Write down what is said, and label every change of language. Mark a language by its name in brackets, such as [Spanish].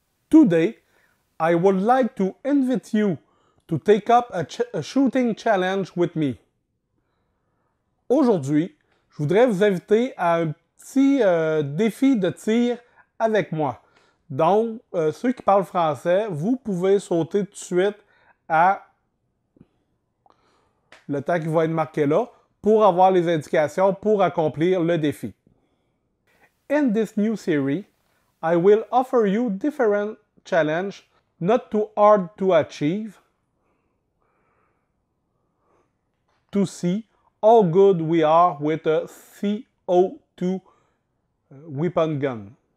[English] Today, I would like to invite you to take up a shooting challenge with me. [French] Aujourd'hui, je voudrais vous inviter à un petit défi de tir avec moi. Donc, ceux qui parlent français, vous pouvez sauter tout de suite à le temps qui va être marqué là pour avoir les indications pour accomplir le défi. [English] In this new series, I will offer you different challenges, not too hard to achieve, to see how good we are with a CO2 weapon gun.